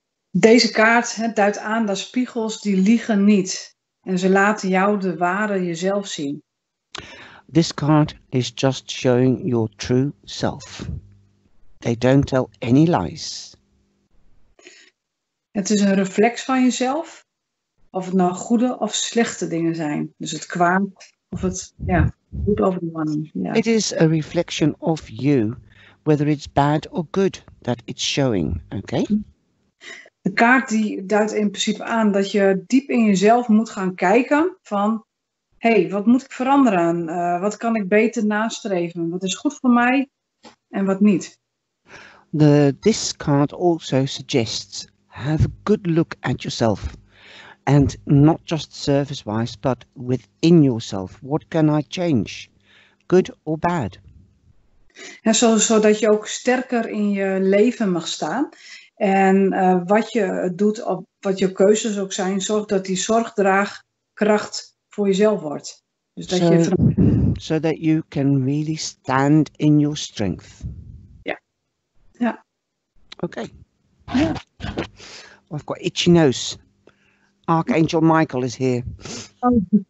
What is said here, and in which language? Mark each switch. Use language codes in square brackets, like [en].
[nl] Deze kaart duidt aan dat spiegels die liegen niet, en ze laten jou de ware jezelf zien. [en] This card is just showing your true self. They don't tell any lies. [nl] Het is een reflex van jezelf, of het nou goede of slechte dingen zijn. Dus het kwaad of het, ja, [en] good of the money. [nl] Yeah. [en] It is a reflection of you, whether it's bad or good, that it's showing, okay? [nl] De kaart die duidt in principe aan dat je diep in jezelf moet gaan kijken van: hey, wat moet ik veranderen? Wat kan ik beter nastreven? Wat is goed voor mij en wat niet? [en] This card also suggests: have a good look at yourself. And not just surface-wise, but within yourself. What can I change? Good or bad? [nl] En zodat je ook sterker in je leven mag staan. En wat je doet, op wat je keuzes ook zijn, zorg dat die zorgdraagkracht voor jezelf wordt. Dus dat [en] so that you can really stand in your strength. [nl] Ja. Ja. [en] Okay. Yeah. I've got itchy nose. Archangel Michael is here. Oh.